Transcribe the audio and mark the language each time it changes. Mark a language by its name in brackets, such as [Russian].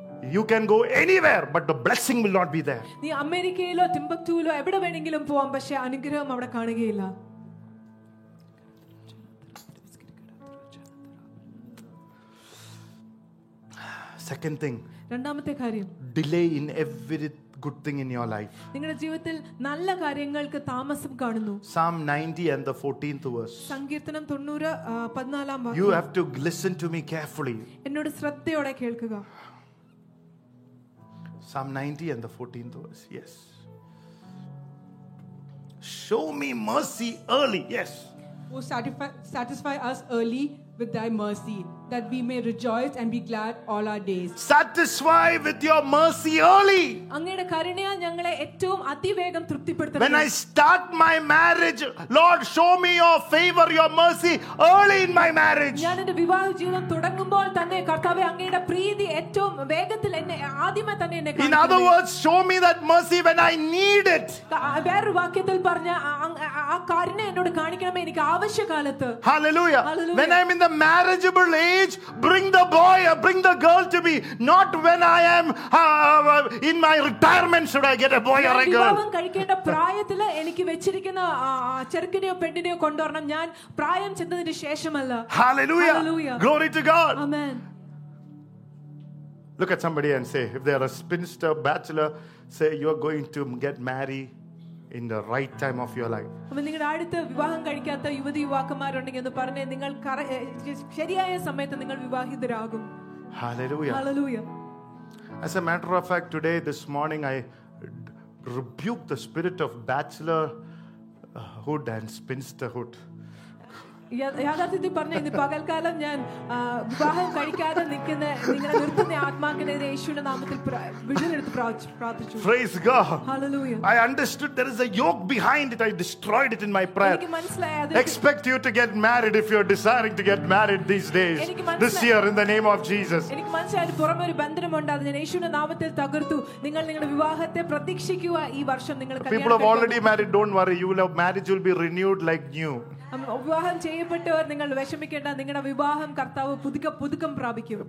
[English] You can go anywhere but the blessing will not be there. [Malayalam] നീ അമേരിക്കയിലോ തിംബക്തുവിലോ എവിടെ വേണമെങ്കിലും പോവാം പക്ഷേ അനുഗ്രഹം അവിടെ കാണുകയില്ല. [English] Second thing. [Malayalam] രണ്ടാമത്തെ കാര്യം. [English] Delay in every good thing in your life. [Malayalam] നിങ്ങളുടെ ജീവിതത്തിൽ നല്ല കാര്യങ്ങൾക്ക് താമസം കാണുന്നു. [English] Psalm 90 and the 14th verse. [Malayalam] സങ്കീർത്തനം 90:14 വാക്യം. [English] You have to listen to me carefully. [Malayalam] എന്നോട് ശ്രദ്ധയോടെ കേൾക്കുക. [English] Psalm 90 and the 14th verse. Yes. Show me mercy early. Yes. Oh, satisfy us early with thy mercy that we may rejoice and be glad all our days. Satisfy with your mercy early. [Malayalam] അങ്ങയുടെ കരുണയാൽ ഞങ്ങളെ ഏറ്റവും അതിവേഗം തൃപ്തിപ്പെടുത്തണം. [English] When I start my marriage, Lord, show me your favor, your mercy early in my marriage. [Malayalam] ഞാൻ എൻ്റെ വിവാഹ ജീവിതം തുടങ്ങുമ്പോൾ തന്നെ കർത്താവേ അങ്ങയുടെ പ്രീതി ഏറ്റവും വേഗത്തിൽ എന്നെ ആദ്യമേ തന്നെ എന്നെ കാണിക്കണം. [English] In other words, show me that mercy when I need it. [Malayalam] വേറൊരു വാക്യത്തിൽ പറഞ്ഞാൽ ആ കരുണ എന്നോട് കാണിക്കണമേ എനിക്ക് ആവശ്യകാലത്ത്. [English] Hallelujah. When I'm in the marriageable age, bring the girl to me, not when I am in my retirement should I get a boy or a girl. [Malayalam] ഇവൻ കഴിക്കേണ്ട പ്രായത്തിലെ എനിക്ക് വെച്ചിരിക്കുന്ന ചെറുക്കനെയോ പെണ്ണിനെയോ കൊണ്ടുവരണം ഞാൻ പ്രായം ചെന്നതിന് ശേഷമല്ല. [English] Hallelujah. Hallelujah. Glory to God. Amen. Look at somebody and say, if they are a spinster, bachelor, say you are going to get married in the right time of your life. [Malayalam] അപ്പോൾ നിങ്ങളുടെ അടുത്ത് വിവാഹം കഴിക്കാത്ത യുവതി യുവാക്കന്മാരുണ്ടെങ്കിൽ എന്ന് പറഞ്ഞ് നിങ്ങൾ ശരിയായ സമയത്ത് നിങ്ങൾ വിവാഹിതരാകും. [English] Hallelujah. Hallelujah. As a matter of fact, today, this morning, I rebuke the spirit of bachelorhood and spinsterhood. [Malayalam] യാഥാർത്ഥ്യത്തിൽ പറഞ്ഞ ഇന്ന് പകൽക്കാലം ഞാൻ വിവാഹം കഴിക്കാതെ നിൽക്കുന്ന നിങ്ങളെ നിർത്തുന്ന ആത്മാക്കിനെതിരെ യേശുവിന്റെ നാമത്തിൽ വിടുതലെടുത്ത് പ്രാർത്ഥിച്ചു. [English] Praise God. Hallelujah. I understood there is a yoke behind it. I destroyed it in my prayer. [Malayalam] എനിക്ക് മനസ്സിലായി. [English] Expect you to get married if you are desiring to get married these days. This year in the name of Jesus. [Malayalam] എനിക്ക് മനസ്സിലായി പുറമൊരു ബന്ധനമുണ്ട് അത് ഞാൻ യേശുവിന്റെ നാമത്തിൽ തകർത്തു. നിങ്ങൾ നിങ്ങളുടെ വിവാഹത്തെ പ്രതീക്ഷിക്കുക ഈ വർഷം നിങ്ങൾ കല്യാണം. [English] People have already married, don't worry. Your marriage will be renewed like new. [Malayalam] വിവാഹം ചെയ്യപ്പെട്ടവർ നിങ്ങൾ വിഷമിക്കേണ്ട നിങ്ങളുടെ വിവാഹം കർത്താവ് പുതുക്കെ പുതുക്കം പ്രാപിക്കും.